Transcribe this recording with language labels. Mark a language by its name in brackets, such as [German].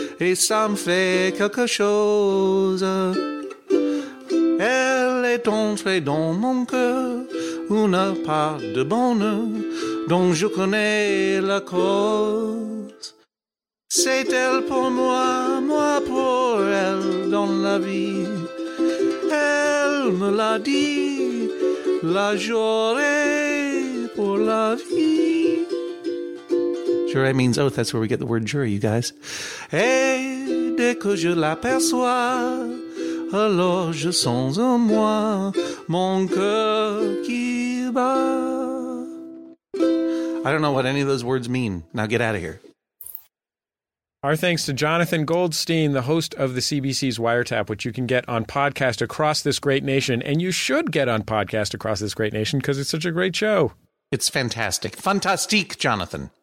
[French] Et ça me fait quelque chose. Elle est entrée dans mon cœur, une part de bonheur, dont je connais la cause. C'est elle pour moi, moi pour elle dans la vie. Elle me l'a dit, la j'aurai pour la vie. [English] Jure means oath, that's where we get the word jury, you guys. [French] Et dès que je l'aperçois, alors je sens en moi mon cœur qui bat. [English] I don't know what any of those words mean. Now get out of here. Our thanks to Jonathan Goldstein, the host of the CBC's Wiretap, which you can get on podcast across this great nation. And you should get on podcast across this great nation because it's such a great show. It's fantastic. Fantastique, Jonathan.